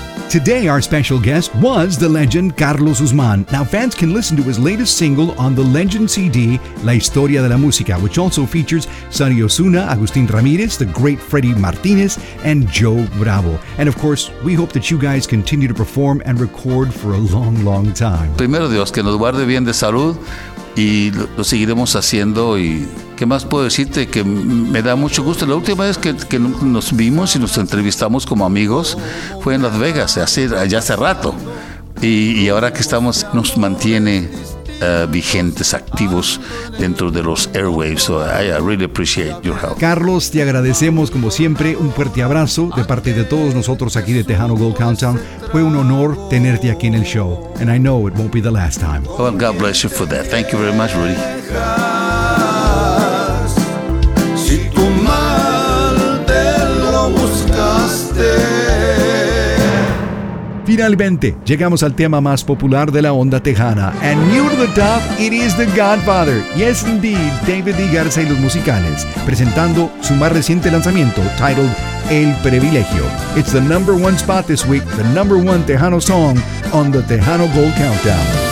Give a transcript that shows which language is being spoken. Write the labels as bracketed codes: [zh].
[en] Today, our special guest was the legend Carlos Guzmán. Now, fans can listen to his latest single on the legend CD, La Historia de la Música, which also features Sonny Osuna, Agustín Ramírez, the great Freddie Martinez, and Joe Bravo. And of course, we hope that you guys continue to perform and record for a long, long time. [es] Primero Dios, que nos guarde bien de salud, y lo seguiremos haciendo. Y qué más puedo decirte, que me da mucho gusto. La última vez que nos vimos y nos entrevistamos como amigos fue en Las Vegas, hace rato, y ahora que estamos nos mantiene vigentes, activos dentro de los airwaves. [en] So I really appreciate your help. [es] Carlos, te agradecemos como siempre, un fuerte abrazo de parte de todos nosotros aquí de Tejano Gold Countdown. Fue un honor tenerte aquí en el show, [en] and I know it won't be the last time. Well, God bless you for that. Thank you very much, Rudy. [es] Si tu mal te lo buscaste. Finalmente, llegamos al tema más popular de la onda tejana. [en] And near the top, it is the Godfather. Yes, indeed, David D. [es] Garza y los Musicales, presentando su más reciente lanzamiento, titled El Privilegio. [en] It's the number one spot this week, the number one Tejano song on the Tejano Gold Countdown.